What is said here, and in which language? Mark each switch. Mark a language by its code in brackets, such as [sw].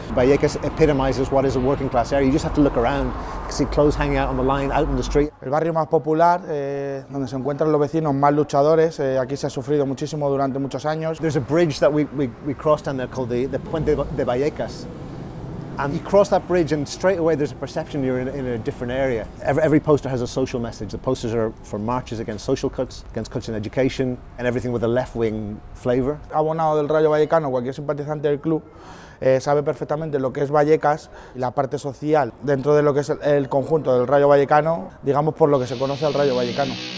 [en] Vallecas epitomizes what is a working class area. You just have to look around, you see clothes hanging out on the line, out in the street. [es] El barrio más popular, donde se encuentran los vecinos más luchadores. Aquí se ha sufrido muchísimo durante muchos años. [en] There's a bridge that we crossed down there called the Puente de Vallecas. And you cross that bridge and straight away there's a perception you're in a different area. Every poster has a social message. The posters are for marches against social cuts, against cuts in education, and everything with a left-wing flavor. [es] Abonado del Rayo Vallecano, cualquier simpatizante del club, sabe perfectamente lo que es Vallecas y la parte social dentro de lo que es el conjunto del Rayo Vallecano, digamos por lo que se conoce al Rayo Vallecano.